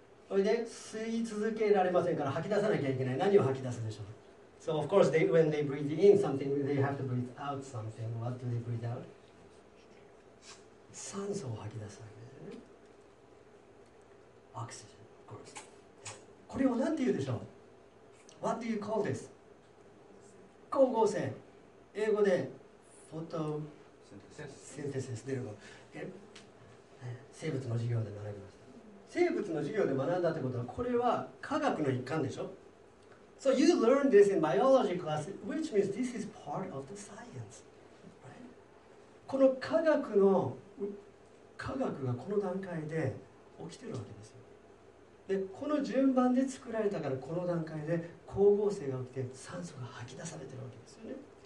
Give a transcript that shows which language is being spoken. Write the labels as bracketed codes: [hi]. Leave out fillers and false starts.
[ja] それで吸い続けられませんから吐き出さなきゃいけない。何を吐き出すでしょう。 [en] So of course, when they breathe in something, they have to breathe out something. What do they breathe out? [ja] 酸素を吐き出す。 [en] Oxygen, of course. [ja] これを何て言うでしょう。 [en] What do you call this? [ja] 光合成。英語で [en] photosynthesis [ja] でいうの。生物の授業で学びました。生物の授業で学んだってことは、これは科学の一環でしょ。 [en] So you learn this in biology class, which means this is part of the science, right? [ja] この科学がこの段階で起きてるわけですよ。でこの順番で作られたから、この段階で光合成が起きて酸素が吐き出されてるわけですよね。